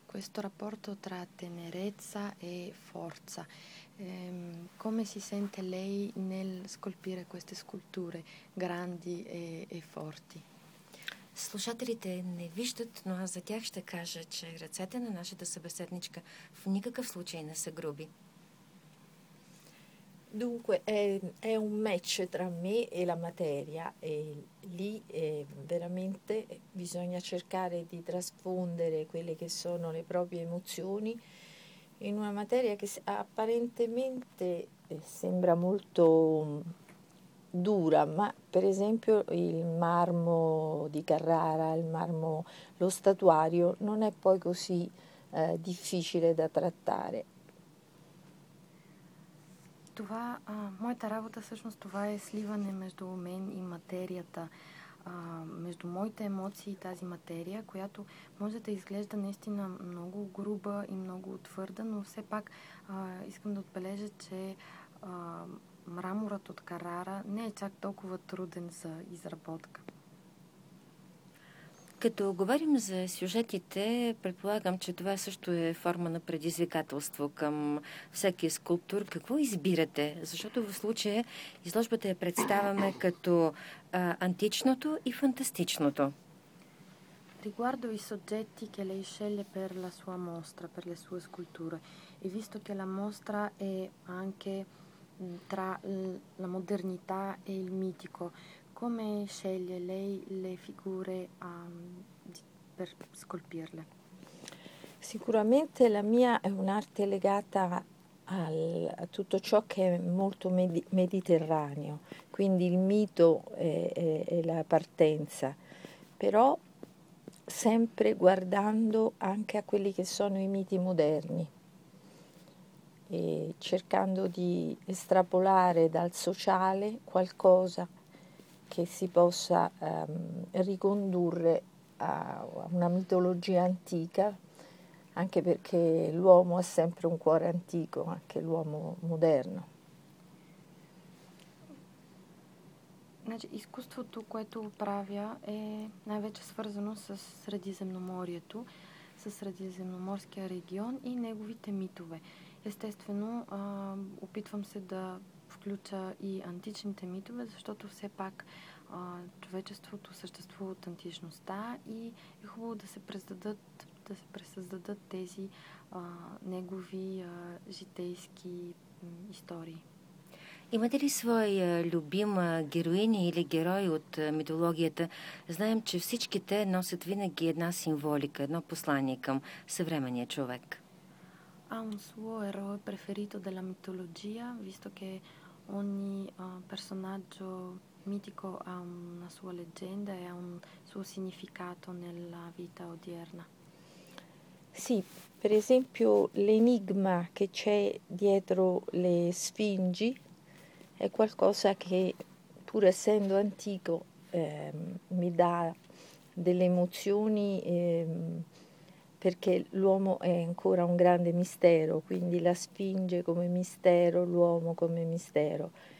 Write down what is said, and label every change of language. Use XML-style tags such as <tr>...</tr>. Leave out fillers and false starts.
<it>Questo rapporto tra tenerezza e forza. Come si sente lei nel scolpire queste sculture grandi e forti?</it> <bg>Слушателите не виждат, но аз за тях ще кажа, че ръцете на нашата събеседничка в никакъв случай не са груби.</bg> <it>Dunque, è un match tra me e la materia e lì veramente bisogna cercare di trasfondere quelle che sono le proprie emozioni in una materia che apparentemente sembra molto dura, ma per esempio il marmo di Carrara, il marmo, lo statuario, non è poi così difficile da trattare.</it> <bg>Това, моята работа всъщност това е сливане между мен и материята, между моите емоции и тази материя, която може да изглежда наистина много груба и много твърда, но все пак искам да отбележа, че мраморът от Карара не е чак толкова труден за изработка. Като говорим за сюжетите, предполагам, че това също е форма на предизвикателство към всеки скулптор. Какво избирате? Защото в случая изложбата я представяме като античното и фантастичното.</bg> <it>Riguardo i soggetti che lei sceglie per la sua mostra, per le sue sculture, e visto che la mostra è anche tra la modernità e il mitico, come sceglie lei le figure per scolpirle? Sicuramente la mia è un'arte legata a tutto ciò che è molto mediterraneo, quindi il mito è la partenza, però sempre guardando anche a quelli che sono i miti moderni e cercando di estrapolare dal sociale qualcosa che si possa ricondurre a una mitologia antica, anche perché l'uomo ha sempre un cuore antico, anche l'uomo moderno.</it> <bg>Значи, изкуството, което правя, е най-вече свързано с Средиземноморието, с Средиземноморския регион и неговите митове. Естествено, опитвам се да включа и античните митове, защото все пак човечеството съществува от античността и е хубаво да се пресъздадат тези негови житейски истории. Имате ли своя любима героиня или герой от митологията? Знаем, че всички те носят винаги една символика, едно послание към съвременния човек.</bg> <it>Ha un suo eroe preferito della mitologia, visto che ogni personaggio mitico ha una sua leggenda e ha un suo significato nella vita odierna. Sì, per esempio l'enigma che c'è dietro le sfingi è qualcosa che, pur essendo antico, mi dà delle emozioni, perché l'uomo è ancora un grande mistero, quindi la sfinge come mistero, l'uomo come mistero.</it>